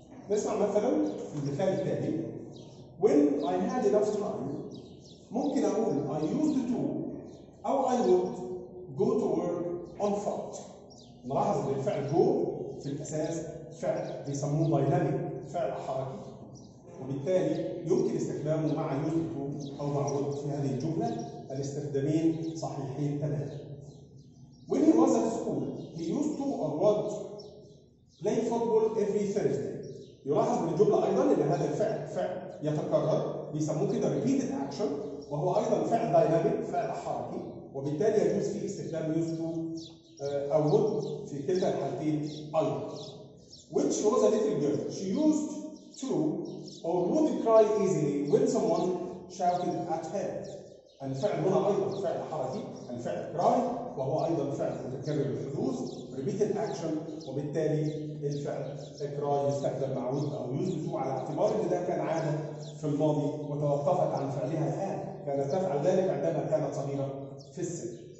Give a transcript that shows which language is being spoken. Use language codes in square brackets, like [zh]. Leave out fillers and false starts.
[ar] نسمع مثلا في المثال التالي: [en] When I had enough time, [ar] ممكن أقول [en] I used to أو I would go to work on foot. [ar] نلاحظ أن الفعل go في الأساس فعل بيسموه dynamic، فعل حركي، وبالتالي يمكن استخدامه مع used to أو مع would في هذه الجملة، الاستخدامين صحيحين تماما. [en] When he was at school, he used to or would play football every Thursday. [ar] يلاحظ من الجملة أيضاً أن هذا الفعل فعل يتكرر، بيسموه كده repeated action، وهو أيضاً فعل dynamic، فعل حركي، وبالتالي يجوز فيه استخدام used to أو would في كلتا الحالتين أيضاً. [en] When she was a little girl, she used to or would cry easily when someone shouted at her. [ar] الفعل هنا أيضاً فعل حركي، الفعل cry، وهو أيضاً فعل متكرر الحدوث repeated action، وبالتالي الفعل إكراي يستخدم مع ود أو يوزفو على اعتبار أن ده كان عادة في الماضي وتوقفت عن فعلها الآن، كانت تفعل ذلك عندما كانت صغيرة في السن.